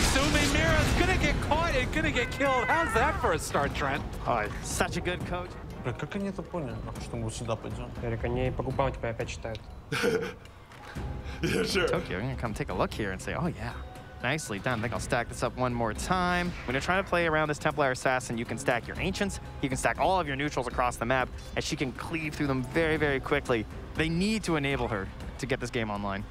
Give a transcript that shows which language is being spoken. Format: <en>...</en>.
<en>Sumi Mira's gonna get caught and gonna get killed. How's that for a start, Trent? Hi. Such a good coach.</en> <ru>Блин, как они это поняли, что мы сюда пойдем? Эрик, они по губам тебя опять читают.</ru> <en>Yeah, sure. Tokyo, I'm gonna come take a look here and say, oh yeah, nicely done. I think I'll stack this up one more time. When you're trying to play around this Templar Assassin, you can stack your Ancients, you can stack all of your neutrals across the map, and she can cleave through them very, very quickly. They need to enable her to get this game online.</en>